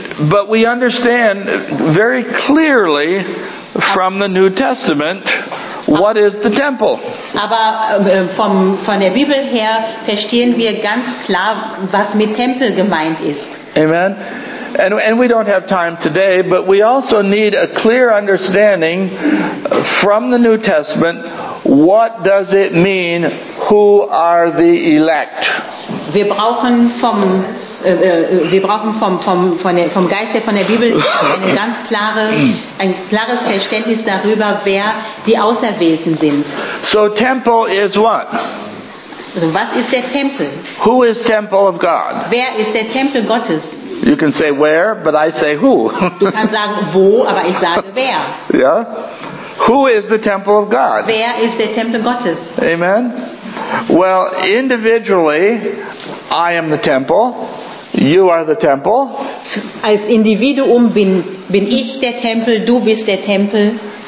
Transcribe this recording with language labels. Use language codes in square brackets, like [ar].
[en] But we understand very clearly from the New Testament, what is the temple? [de] Aber von der Bibel her verstehen wir ganz klar, was mit Tempel gemeint ist. [en] Amen. And we don't have time today, but we also need a clear understanding from the New Testament, what does it mean, who are the elect? [de] Wir brauchen vom Geist von der Bibel ein ganz klares Verständnis darüber, wer die Auserwählten sind. [en] So temple is what? [de] Also, was ist der Tempel? [en] Who is temple of God? [de] Wer ist der Tempel Gottes? [en] You can say where, but I say who. [de] Du kannst sagen wo, aber ich sage wer. [en] Yeah. Who is the temple of God? [de] Wer ist der Tempel Gottes? [en] Amen. Well, individually, I am the temple. You are the temple. [de] Als Individuum bin ich der Tempel, du bist der Tempel.